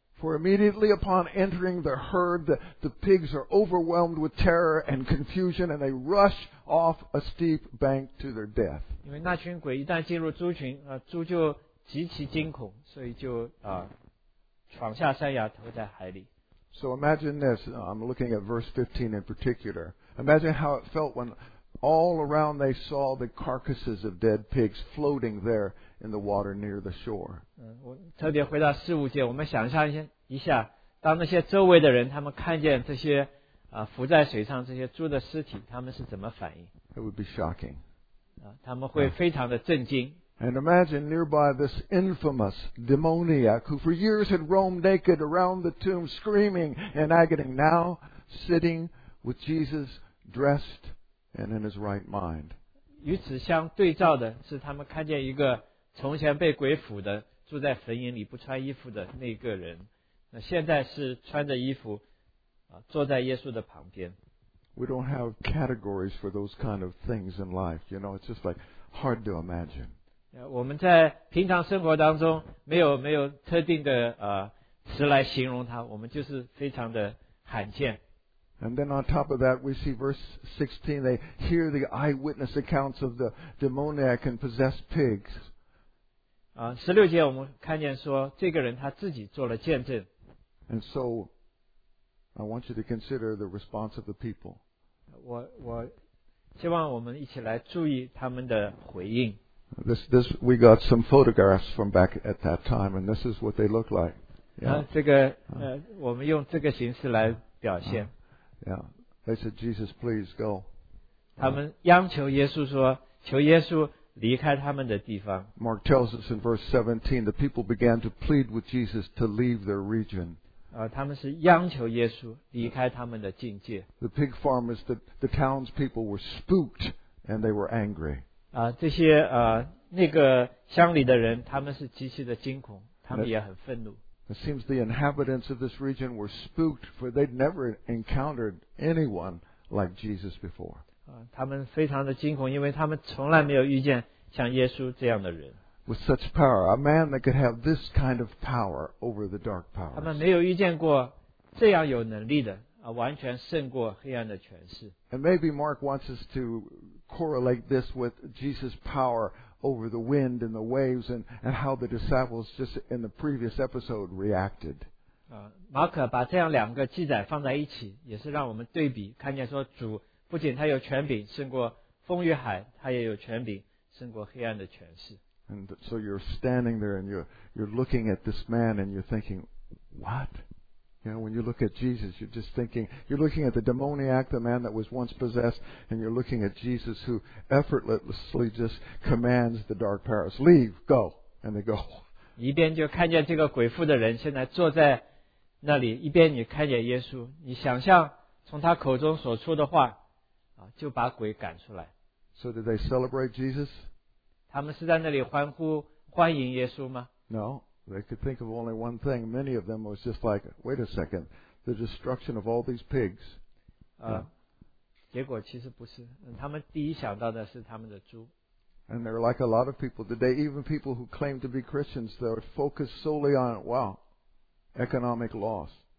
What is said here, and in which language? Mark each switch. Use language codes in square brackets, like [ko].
[en] For immediately upon entering the herd, the pigs are overwhelmed with terror and confusion, and they rush off a steep bank to their death. [zh] 因为那群鬼一旦进入猪群，猪就极其惊恐，所以就闯下山崖，投在海里。 [en] So imagine this. I'm looking at verse 15 in particular. Imagine how it felt when all around they saw the carcasses of dead pigs floating there. In the water near the shore. [zh] 我特别回到四五节，我们想象一下，当那些周围的人他们看见这些浮在水上这些猪的尸体，他们是怎么反应 [en] ？It would be shocking. [zh] 他们会非常的震惊。 [en] And imagine nearby this infamous demoniac who for years had roamed naked around the tomb, screaming in agony, now sitting with Jesus, dressed and in his right mind. [zh] 与此相对照的是，他们看见一个。从前被鬼附的住在坟营里不穿衣服的那个人那现在是穿着衣服坐在耶稣的旁边 [en] We don't have categories for those kind of things in life You know, it's just like hard to imagine [zh] 我们在平常生活当中没有特定的词来形容它我们就是非常的罕见 [en] And then on top of that we see verse 16 They hear the eyewitness accounts of the demoniac and possessed pigs [zh] 16节我们看见说这个人他自己做了见证 [en] And so I want you to consider the response of the people [zh] 我希望我们一起来注意他们的回应 [en] this, We got some photographs from back at that time and this is what they look like yeah. [zh] 我们用这个形式来表现 [en] yeah. They said Jesus please go [zh] 他们央求耶稣说求耶稣离开他们的地方。 [en] Mark tells us in verse 17, the people began to plead with Jesus to leave their region. [zh] 他们是央求耶稣离开他们的境界。 [en] The pig farmers, the townspeople were spooked and they were angry. [zh] 这些那个乡里的人他们是极其的惊恐他们也很愤怒。 [en] It seems the inhabitants of this region were spooked for they'd never encountered anyone like Jesus before. [zh] 他们非常的惊恐，因为他们从来没有遇见像耶稣这样的人。 [en] With such power, a man that could have this kind of power over the dark powers. [zh] 他们没有遇见过这样有能力的，完全胜过黑暗的权势。 [en] And maybe Mark wants us to correlate this with Jesus' power over the wind and the waves, and how the disciples just in the previous episode reacted. [zh] 马可把这样两个记载放在一起，也是让我们对比，看见说主。不仅他有权柄胜过风与海，他也有权柄胜过黑暗的权势。 [en] And so you're standing there and you're looking at this man and you're thinking, what? You know, when you look at Jesus, you're just thinking, you're looking at the demoniac, the man that was once possessed, and you're looking at Jesus who effortlessly just commands the dark powers, leave, go, and they go. [zh] 一边就看见这个鬼附的人现在坐在那里, 一边你看见耶稣, 你想象从他口中所出的话, 就把鬼赶出来。 [en] So did they celebrate Jesus? [zh] 他们是在那里欢呼, 欢迎耶稣吗? [en] No. They could think of only one thing. Many of them was just like, wait a second, the destruction of all these pigs. And they're like a lot of people today, even people who claim to be Christians, they're focused solely on, wow, economic loss.